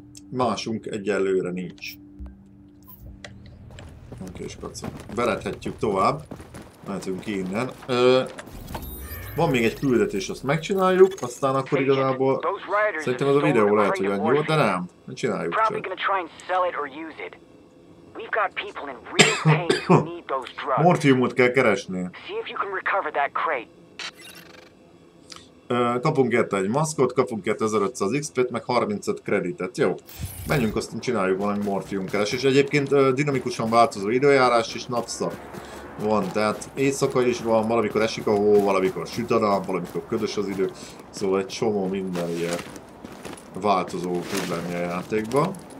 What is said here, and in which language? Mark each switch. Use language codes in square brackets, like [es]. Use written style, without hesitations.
[hu] Másunk egyelőre nincs. Oké, és kacsa. Veredhetjük tovább. Mehetünk ki innen. Van még egy küldetés, azt megcsináljuk, aztán akkor igazából szerintem ez a videó lehet, hogy ennyi volt, de nem. Csináljuk csak. [en] We've got people in real pain who need those drugs. [hu] Morfiumot kell keresni. [en] See if you can recover that crate. [hu] Kapunk érte egy maszkot, kapunk érte 1500 XP-t, meg 35 kreditet. Jó. Menjünk, aztán csináljuk valami morfiumkeresést. Egyébként dinamikusan változó időjárás és napszak. van, tehát éjszaka is van, valamikor esik a hó, valamikor süt a nap, valamikor ködös az idő, szóval egy csomó minden ilyen változó tud lenni a játékban.